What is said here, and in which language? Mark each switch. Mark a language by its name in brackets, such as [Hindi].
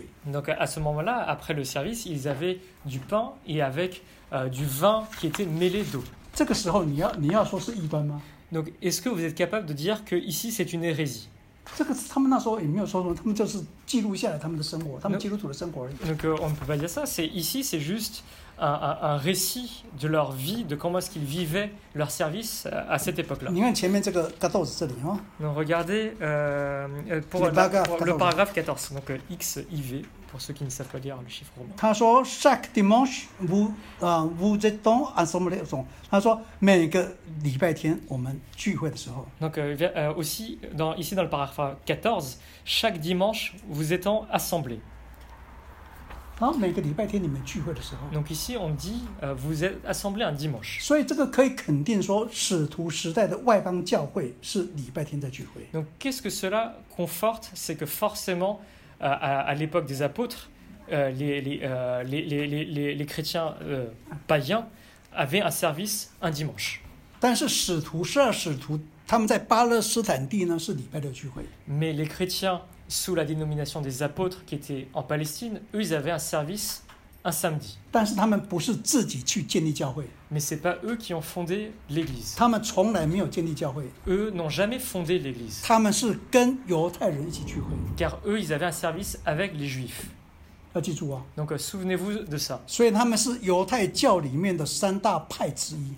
[French] Donc à ce moment-là, après le service, ils avaient du pain et avec du vin qui était mêlé d'eau. [Chinese] 这个时候你要说是异端吗？ [French] Donc est-ce que vous êtes capable de dire que ici c'est une hérésie ? [Chinese] 他们那时候也没有说什么，他们就是记录下来他们的生活，他们基督徒的生活而已。 [French] Donc on ne peut pas dire ça. Ici c'est juste un récit de leur vie, de comment est-ce qu'ils vivaient leur service à cette époque-là. [Chinese] 你看前面这个14这里哈。 [French] Donc regardez pour le paragraphe 14, donc XIV pour ceux qui ne savent pas lire le chiffre romain. [Chinese] 他说 [French] chaque dimanche vous êtes dans ensemble. [Chinese] 他说每个礼拜天我们聚会的时候。 [French] Donc aussi ici dans le paragraphe 14, chaque dimanche vous étant assemblés. [Chinese] 然后每个礼拜天你们聚会的时候 [French] donc ici on dit vous êtes assemblés un dimanche, [Chinese] 所以这个可以肯定说使徒时代的外邦教会是礼拜天在聚会。 [French] donc qu'est-ce que cela conforte, c'est que forcément à l'époque des apôtres les chrétiens païens avaient un service un dimanche, [Chinese] 但是使徒十二使徒他们在巴勒斯坦地呢是礼拜六聚会。 [French] mais les chrétiensous la dénomination des apôtres qui étaient en Palestine, eux, ils avaient un service un samedi. [Chinese] 但是他们不是自己去建立教会。 [French] Mais ce n'est pas eux qui ont fondé l'église. [Chinese] 他们从来没有建立教会。 [French] Eux n'ont jamais fondé l'église. [Chinese] 他们是跟犹太人一起聚会。 [French] Car eux, ils avaient un service avec les Juifs. [Chinese] 要记住啊。 [French] Donc, souvenez-vous de ça. [Chinese] 所以他们是犹太教里面的三大派之一。